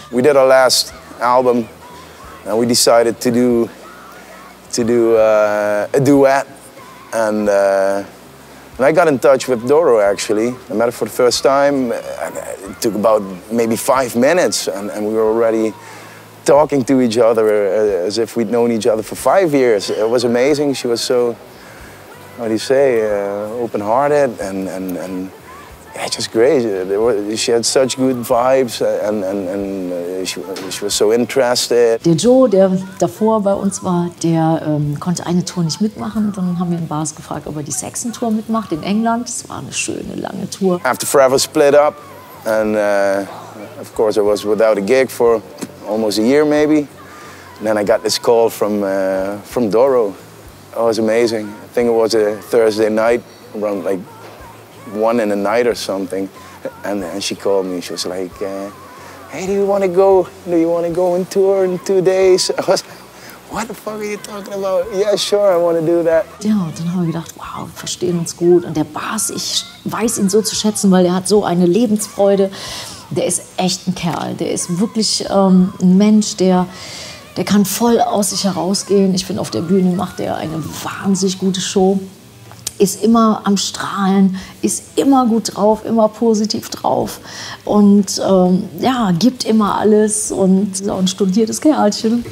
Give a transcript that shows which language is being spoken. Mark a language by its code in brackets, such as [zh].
[en] We did our last album and we decided to do a duet and. And I got in touch with Doro, actually. I met her for the first time. It took about maybe 5 minutes, and we were already talking to each other as if we'd known each other for 5 years. It was amazing. She was so, how do you say, open-hearted, and yeah, just great. She had such good vibes, and she was so interested. [de] Der Joe, der davor bei uns war, der konnte eine Tour nicht mitmachen. Dann haben wir den Bass gefragt, ob er die Saxon-Tour mitmacht in England. Das war eine schöne, lange Tour. [en] After Forever split up, and of course I was without a gig for almost a year maybe. And then I got this call from Doro. It was amazing. I think it was a Thursday night, around like 1 in the night or something, and she called me. She was like, "Hey, do you want to go? Do you want to go on tour in 2 days?" I was like, "What the fuck are you talking about? Yeah, sure, I want to do that." [de] Ja, und dann haben wir gedacht, wow, wir verstehen uns gut. Und der Bass, ich weiß ihn so zu schätzen, weil er hat so eine Lebensfreude. Der ist echt ein Kerl. Der ist wirklich ein Mensch, der kann voll aus sich herausgehen. Ich finde, auf der Bühne macht er eine wahnsinnig gute Show. Ist immer am Strahlen, ist immer gut drauf, immer positiv drauf und ja, gibt immer alles und ist auch ein studiertes Kerlchen.